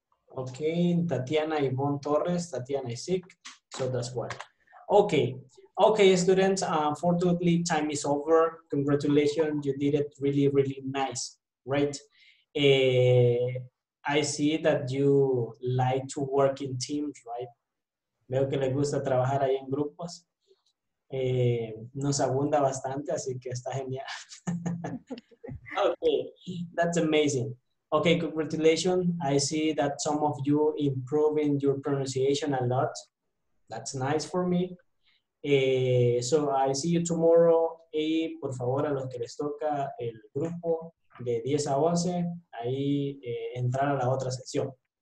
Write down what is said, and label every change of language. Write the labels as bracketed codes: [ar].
[en] Okay, Tatiana Ivonne Torres. Tatiana is sick, so that's why. Okay. Okay, students, unfortunately, time is over. Congratulations, you did it really, really nice, right? I see that you like to work in teams, right? [es] Veo que le gusta trabajar ahí en grupos. Nos abunda bastante, así que está genial. [en] Okay, that's amazing. Okay, congratulations. I see that some of you improving your pronunciation a lot. That's nice for me. So I see you tomorrow. [es] Y por favor, a los que les toca el grupo de 10 a 11, ahí entrar a la otra sesión.